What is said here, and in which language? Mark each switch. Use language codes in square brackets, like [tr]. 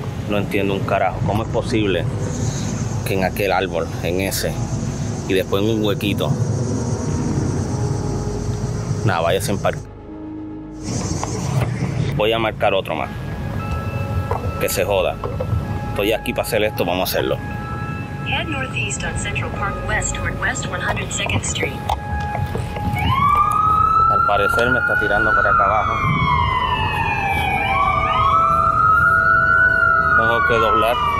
[es] No entiendo un carajo, ¿cómo es posible que en aquel árbol, en ese, y después en un huequito? Nada, váyase en parque. Voy a marcar otro más. Que se joda. Estoy aquí para hacer esto, vamos a hacerlo. [en] Head northeast on Central Park West toward West 102nd Street. [es] Al parecer me está tirando para acá abajo. Tengo que doblar.